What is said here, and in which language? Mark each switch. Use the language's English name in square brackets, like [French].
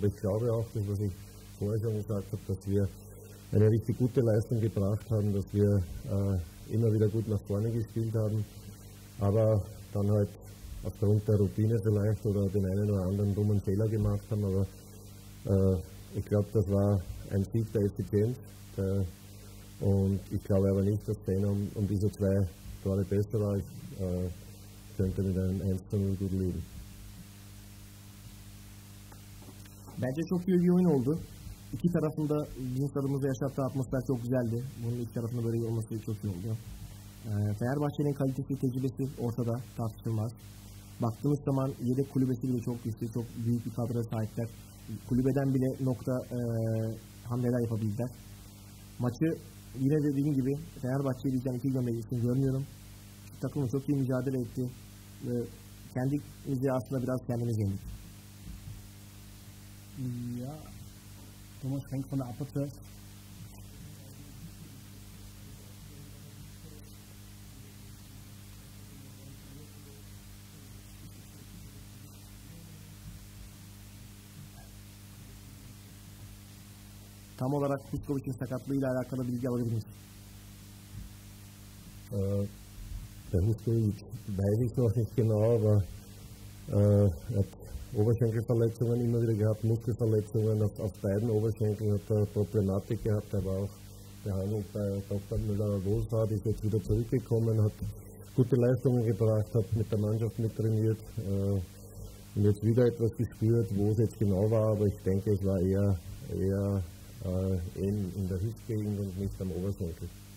[German] Aber ich glaube auch, dass, was ich vorher schon gesagt habe, dass wir eine richtig gute Leistung gebracht haben, dass wir immer wieder gut nach vorne gespielt haben, aber dann halt aufgrund der Routine vielleicht oder den einen oder anderen dummen Fehler gemacht haben. Aber ich glaube, das war ein Sieg der Effizienz. Und ich glaube aber nicht, dass Trainer um diese zwei Tore besser war. Ich könnte mit einem 1-0 gut leben. [Turkish] Bence çok iyi bir oyun oldu. İki tarafında bizim tarafımızda yaşattığı atmosfer çok güzeldi. Bunun ilk tarafında böyle iyi olması çok iyi oldu. Fenerbahçe'nin kalitesi, tecrübesi ortada tartışılmaz. Baktığımız zaman yedek kulübesi bile çok güçlü, çok büyük bir kadro sahipler. Kulübeden bile nokta hamleler yapabildiler. Maçı yine dediğim gibi Fenerbahçe'yi diyeceğim iki gömleği için görmüyorum. Takımı çok iyi mücadele etti. Kendimizi aslında biraz kendimiz yendik. [German] Ja, Thomas Schenk von der Aperture. [Turkish] Tam olarak Kutkovic'in sakatlığıyla alakalı bilgi alabilir miyiz? [German] Der Hustelik weiß ich noch nicht genau, aber er hat Oberschenkelverletzungen immer wieder gehabt, Muskelverletzungen auf beiden Oberschenkeln hat er Problematik gehabt. Er war auch behandelt bei Dr. Müller-Wohlfahrt, ist jetzt wieder zurückgekommen, hat gute Leistungen gebracht, hat mit der Mannschaft mittrainiert und jetzt wieder etwas gespürt, wo es jetzt genau war, aber ich denke, es war eher in der Hüftgegend und nicht am Oberschenkel.